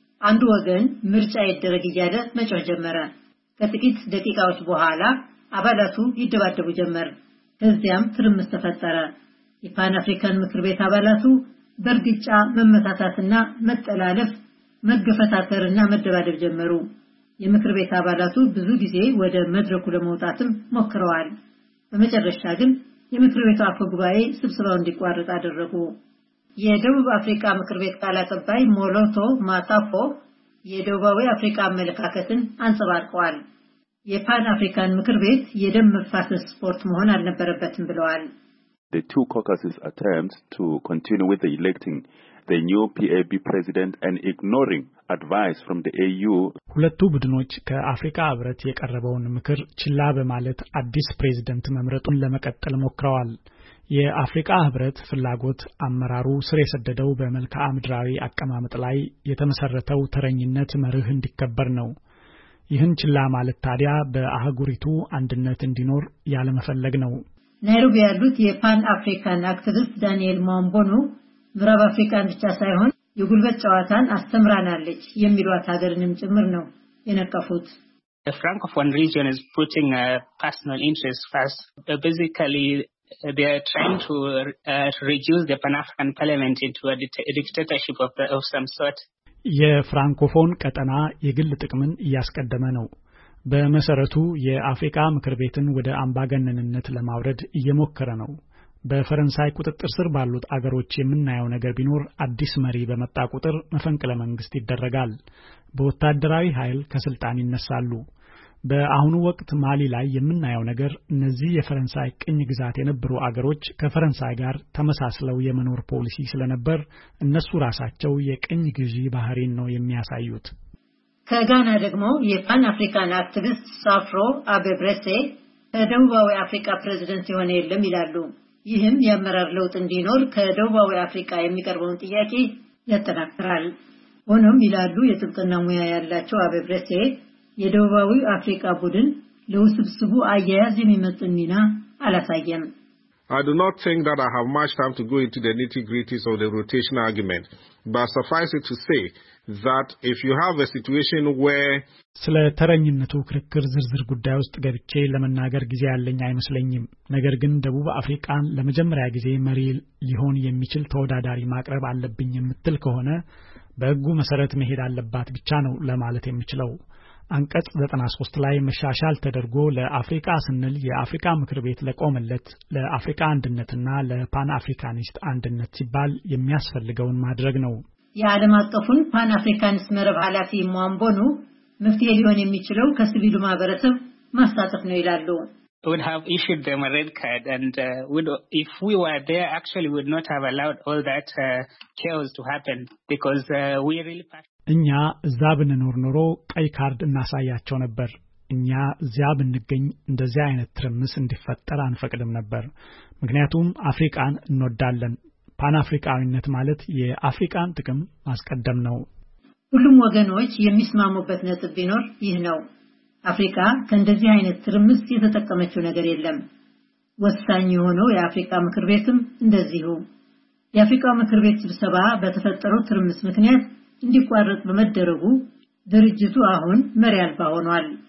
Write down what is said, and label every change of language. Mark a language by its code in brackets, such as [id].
[am] አንዱ ወገን ምርጫ ይደረግ እያለ መጮህ ጀመረ። ከጥቂት ደቂቃዎች በኋላ አባላቱ ይደባደቡ ጀመር። ከዚያም ትርምስ ተፈጠረ። የፓን አፍሪካን ምክር ቤት አባላቱ በእርግጫ መመታታትና መጠላለፍ፣ መገፈታተርና መደባደብ ጀመሩ። የምክር ቤት አባላቱ ብዙ ጊዜ ወደ መድረኩ ለመውጣትም ሞክረዋል። በመጨረሻ ግን የምክር ቤቱ አፈ ጉባኤ ስብሰባው እንዲቋረጥ አደረጉ። የደቡብ አፍሪካ ምክር ቤት ቃል አቀባይ ሞሎቶ ማታፎ የደቡባዊ አፍሪካ አመለካከትን አንጸባርቀዋል። የፓን አፍሪካን ምክር ቤት የደም መፋሰስ ስፖርት መሆን አልነበረበትም ብለዋል። [en] The two caucuses attempt to continue with the electing the new PAB president and ignoring advice from the AU. [am] ሁለቱ ቡድኖች ከአፍሪካ ህብረት የቀረበውን ምክር ችላ በማለት አዲስ ፕሬዝዳንት መምረጡን ለመቀጠል ሞክረዋል። የአፍሪካ ህብረት ፍላጎት አመራሩ ስር የሰደደው በመልካ ምድራዊ አቀማመጥ ላይ የተመሰረተው ተረኝነት መርህ እንዲከበር ነው። ይህን ችላ ማለት ታዲያ በአህጉሪቱ አንድነት እንዲኖር ያለመፈለግ ነው። ናይሮቢ ያሉት የፓን አፍሪካን አክቲቪስት ዳንኤል ማምቦኑ ምዕራብ አፍሪካን ብቻ ሳይሆን የጉልበት ጨዋታን አስተምራናለች የሚሏት ሀገርንም ጭምር ነው የነቀፉት። [en] The Francophone region is putting personal interests first. Basically, they are trying to reduce the Pan-African Parliament into a dictatorship of some sort. [am] የፍራንኮፎን ቀጠና የግል ጥቅምን እያስቀደመ ነው። በመሰረቱ የአፍሪካ ምክር ቤትን ወደ አምባገነንነት ለማውረድ እየሞከረ ነው። በፈረንሳይ ቁጥጥር ስር ባሉት አገሮች የምናየው ነገር ቢኖር አዲስ መሪ በመጣ ቁጥር መፈንቅለ መንግስት ይደረጋል። በወታደራዊ ኃይል ከስልጣን ይነሳሉ። በአሁኑ ወቅት ማሊ ላይ የምናየው ነገር እነዚህ የፈረንሳይ ቅኝ ግዛት የነበሩ አገሮች ከፈረንሳይ ጋር ተመሳስለው የመኖር ፖሊሲ ስለነበር እነሱ ራሳቸው የቅኝ ግዢ ባህሪን ነው የሚያሳዩት። ከጋና ደግሞ የፓን አፍሪካን አክቲቪስት ሳፍሮ አበብረሴ ደቡባዊ አፍሪካ ፕሬዝዳንት የሆነ የለም ይላሉ። ይህም የአመራር ለውጥ እንዲኖር ከደቡባዊ አፍሪካ የሚቀርበውን ጥያቄ ያጠናክራል። ሆኖም ይላሉ የስልጣን ሙያ ያላቸው አበብረሴ የደቡባዊ አፍሪካ ቡድን ለውስብስቡ አያያዝ የሚመጥን ሚና አላሳየም። [en] I do not think that I have much time to go into the nitty-gritties of the rotation argument, but suffice it to say that if you have a situation where [am] ስለ ተረኝነቱ ክርክር ዝርዝር ጉዳይ ውስጥ ገብቼ ለመናገር ጊዜ ያለኝ አይመስለኝም። ነገር ግን ደቡብ አፍሪካን ለመጀመሪያ ጊዜ መሪ ሊሆን የሚችል ተወዳዳሪ ማቅረብ አለብኝ የምትል ከሆነ በሕጉ መሰረት መሄድ አለባት ብቻ ነው ለማለት የምችለው። አንቀጽ 93 ላይ መሻሻል ተደርጎ ለአፍሪካ ስንል የአፍሪካ ምክር ቤት ለቆመለት ለአፍሪካ አንድነትና ለፓን አፍሪካኒስት አንድነት ሲባል የሚያስፈልገውን ማድረግ ነው። የዓለም አቀፉን ፓን አፍሪካኒስት መረብ ኃላፊ ማምቦኑ መፍትሄ ሊሆን የሚችለው ከሲቪሉ ማህበረሰብ ማስተጣፍ ነው ይላሉ። [en] would have issued them a red card and would if we were there actually would not have allowed all that chaos to happen because we really [am] እኛ እዛ ብንኖር ኖሮ ቀይ ካርድ እናሳያቸው ነበር። እኛ እዛ ብንገኝ እንደዚህ አይነት ትርምስ እንዲፈጠር አንፈቅድም ነበር። ምክንያቱም አፍሪካን እንወዳለን። ፓን አፍሪካዊነት ማለት የአፍሪካን ጥቅም ማስቀደም ነው። ሁሉም ወገኖች የሚስማሙበት ነጥብ ቢኖር ይህ ነው። አፍሪካ ከእንደዚህ አይነት ትርምስ የተጠቀመችው ነገር የለም። ወሳኝ የሆነው የአፍሪካ ምክር ቤትም እንደዚሁ። የአፍሪካ ምክር ቤት ስብሰባ በተፈጠረው ትርምስ ምክንያት እንዲቋረጥ በመደረጉ ድርጅቱ አሁን መሪ አልባ ሆኗል።